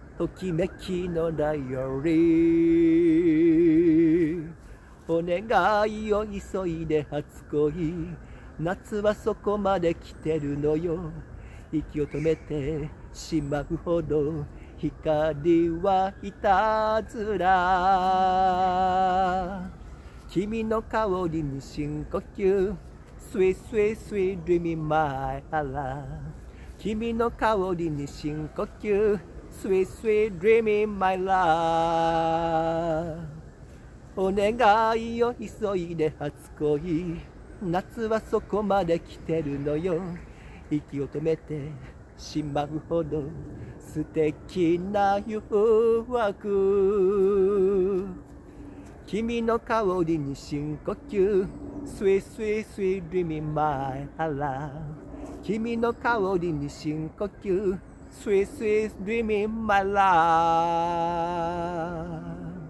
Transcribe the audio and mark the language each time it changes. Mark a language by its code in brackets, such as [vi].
[ja] ときめきのダイアリー。お願いよ急いで初恋。夏はそこまで来てるのよ。息を止めてしまうほど光はいたずら。君の香りに深呼吸。 [en] Sweet, sweet, sweet, dreaming my love. [ja] 君の香りに深呼吸。 [en] Sweet, sweet, dreaming my love. [ja] お願いよ急いで初恋。夏はそこまで来てるのよ。息を止めてしまうほど素敵な誘惑。君の香りに深呼吸。 [en] Sweet, sweet, sweet, dreaming my love. [ja] 君の香りに深呼吸。 [en] Sweet, sweet, dreaming my love.